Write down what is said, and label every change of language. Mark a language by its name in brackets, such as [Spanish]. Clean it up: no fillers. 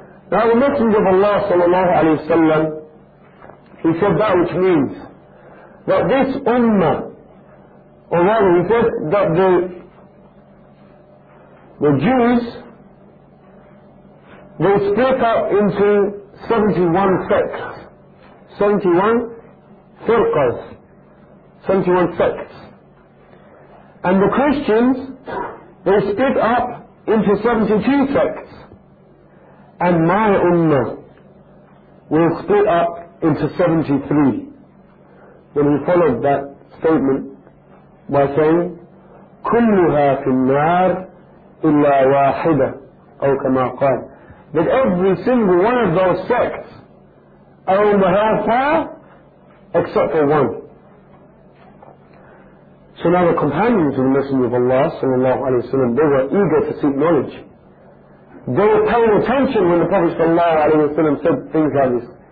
[English] Now the Messenger of Allah sallallahu alayhi wa sallam, he said that which means that this ummah, or rather he said that the Jews, they split up into 71 sects, 71 firqas, 71 sects. And the Christians, they split up into 72 sects. And my ummah will split up into 73. Then he followed that statement by saying, [Arabic] كُلُّهَا فِي النَّارِ إِلَّا وَاحِدَةً أَوْ كَمَا قَالَ. [English] That every single one of those sects are in the hellfire except for one. So now the companions of the Messenger of Allah sallallahu alayhi wa sallam, they were eager to seek knowledge. They were paying attention when the Prophet ﷺ said things like this.